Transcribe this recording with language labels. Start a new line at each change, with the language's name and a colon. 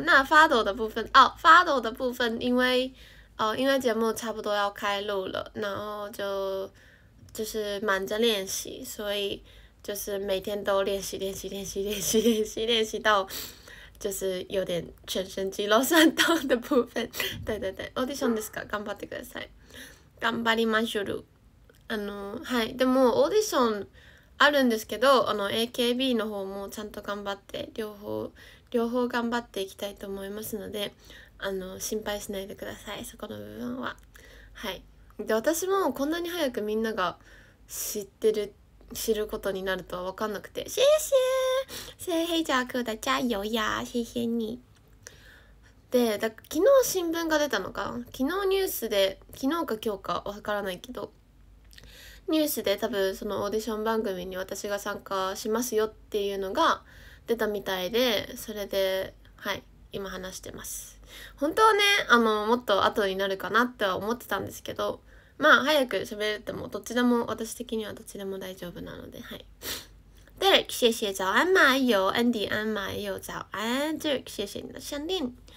Chinese: 那发抖的部分哦，发抖的部分，因为节目差不多要开录了，然后就是忙着练习，所以就是每天都练习练习练习练习练习练习到就是有点全身肌肉酸痛的部分。对对对，
Japanese: audition ですか？頑張ってください。頑張りましょう。はい、でもオーディションあるんですけど、AKB の方もちゃんと頑張って、両方頑張っていきたいと思いますので、心配しないでください、そこの部分は。はい、で私もこんなに早くみんなが知ることになるとは分かんなくて、シェシェセイヘイジャークダチャヨヤシェシェニで、だ昨日新聞が出たのかな、昨日ニュースで、昨日か今日か分からないけど、ニュースで多分そのオーディション番組に私が参加しますよっていうのが出たみたいで、それで、はい、今話してます。本当はね、もっと後になるかなっては思ってたんですけど、まあ早く喋れてもどっちでも、私的にはどっちでも大丈夫なので、はい。
Chinese: で、谢谢早安马友、安迪安马友、早安、就谢谢你的项链。